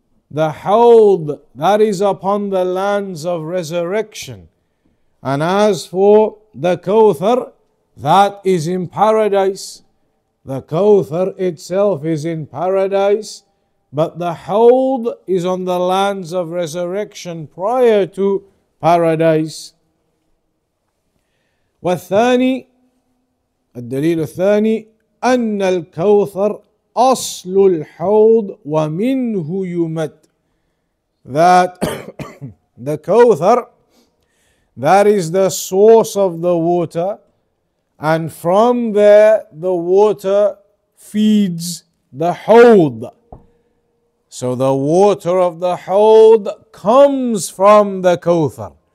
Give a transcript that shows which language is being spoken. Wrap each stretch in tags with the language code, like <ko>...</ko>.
<en>The Hawḍ that is upon the lands of resurrection, and as for the Kawthar, that is in paradise. The Kawthar itself is in paradise, but the Hawḍ is on the lands of resurrection prior to paradise.</en> <ar>وَالثَّانِي الدَّلِيلُ الثَّانِي أن الكوثر أصل الحوض ومنه يمد.</ar> <en>That the Kawthar, that is the source of the water, and from there the water feeds the Hawḍ. So the water of the Hawḍ comes from the Kawthar.</en>